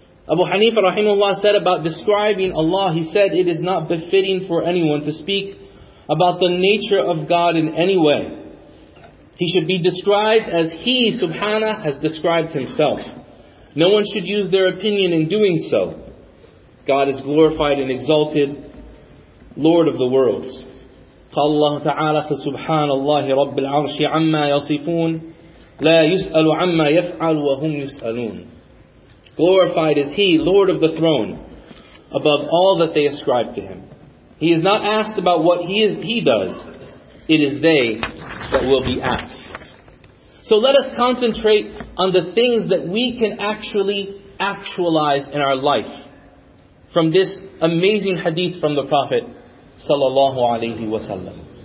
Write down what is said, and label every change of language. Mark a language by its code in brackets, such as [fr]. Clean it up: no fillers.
[en] Abu Hanifa rahimahullah said about describing Allah, he said, "It is not befitting for anyone to speak about the nature of God in any way. He should be described as He subhanahu has described Himself. No one should use their opinion in doing so. God is glorified and exalted, Lord of the worlds." [ar] قال الله تعالى فسبحان الله رب العرش عما يصفون لا يسأل عما يفعل وهم يسألون. [en] Glorified is He, Lord of the throne, above all that they ascribe to Him. He is not asked about what He does. It is they that will be asked. So let us concentrate on the things that we can actually actualize in our life from this amazing hadith from the Prophet sallallahu alaihi wasallam.